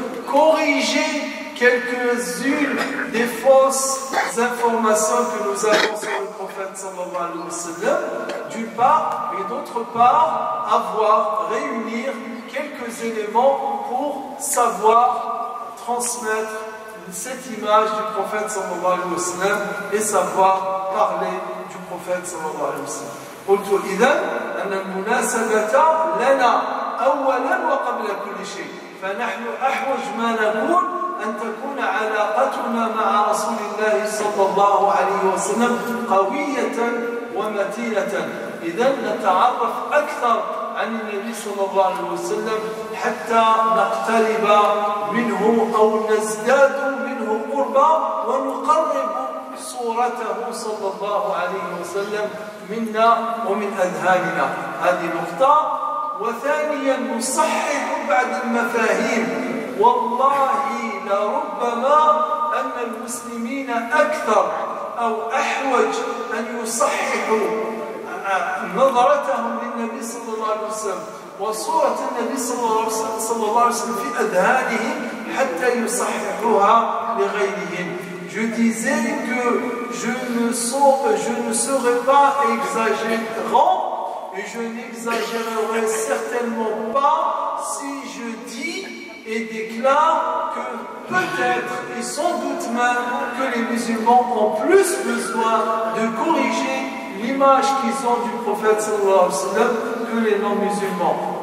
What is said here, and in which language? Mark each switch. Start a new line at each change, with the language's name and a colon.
French: corriger quelques-unes des fausses informations que nous avons sur le prophète sallallahu alayhi wa sallam, d'une part, et d'autre part, avoir, réunir quelques éléments pour savoir transmettre cette image du prophète sallallahu alayhi wa sallam et savoir parler du prophète sallallahu alayhi wa sallam.
Arabic: قلت إذن أن المناسبة لنا أولا وقبل كل شيء فنحن أحوج ما نقول أن تكون علاقتنا مع رسول الله صلى الله عليه وسلم قوية ومتينة. إذن نتعرف أكثر عن النبي صلى الله عليه وسلم حتى نقترب منه أو نزداد منه قربا ونقرب صورته صلى الله عليه وسلم منا ومن أذهاننا. هذه نقطة. وثانيا نصحح بعض المفاهيم. والله لربما أن المسلمين أكثر أو أحوج أن يصححوا نظرتهم للنبي صلى الله عليه وسلم وصورة النبي صلى الله عليه وسلم في أذهانهم حتى يصححوها لغيرهم.
French: Je disais que je ne serais pas exagérant et je n'exagérerai certainement pas si je dis et déclare que peut-être et sans doute même que les musulmans ont plus besoin de corriger l'image qu'ils ont du prophète sallallahu alayhi wa sallam que les non-musulmans.